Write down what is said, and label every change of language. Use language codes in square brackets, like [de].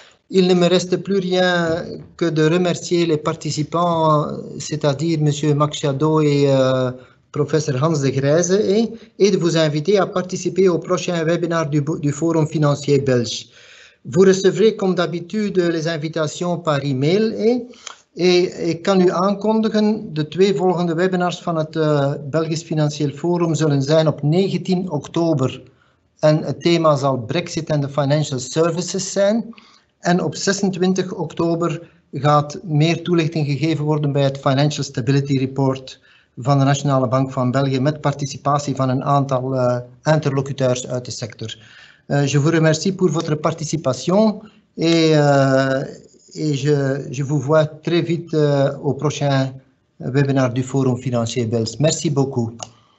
[fr] Il ne me reste plus rien que de remercier les participants, c'est-à-dire M. Max Jadot et Professeur Hans De Grijze, hein, et de vous inviter à participer au prochain webinaire du Forum financier belge. Vous recevrez, comme d'habitude, les invitations par e-mail. Hein. [nl] Et ik kan u aankondigen, de twee volgende webinars van het Belgisch Financieel Forum zullen zijn op 19 oktober. En het thema zal Brexit en de Financial Services zijn. En op 26 oktober gaat meer toelichting gegeven worden bij het Financial Stability Report van de Nationale Bank van België met participatie van een aantal interlocuteurs uit de sector. [fr] Je vous remercie pour votre participation et... Et je vous vois très vite au prochain webinaire du Forum financier belge. Merci beaucoup.